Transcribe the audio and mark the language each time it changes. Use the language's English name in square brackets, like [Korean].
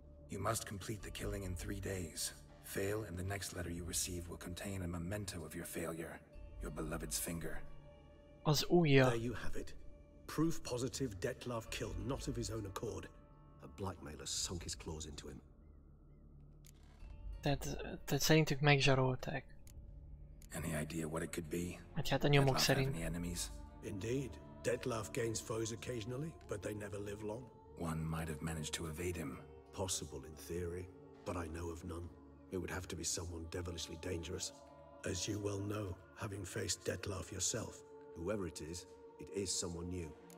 [English] You must complete the killing in 3 days. Fail, and the next letter you receive will contain a memento of your failure. Your beloved's finger. [Hungarian] Az ujja. [English] There you have it. Proof positive Detlaf killed not of his own accord. A blackmailer sunk his claws into him. [Hungarian] Tehát szerintük megzsarolták. [English] Any idea what it could be? [Hungarian] Hát a nyomok szerint. [English] Indeed, Detlaf gains foes occasionally, but they never live long. One might have managed to evade him. Possible in theory, but I know of none. It would have to be someone devilishly dangerous. As you well know, having faced Detlaf yourself, whoever it is someone new.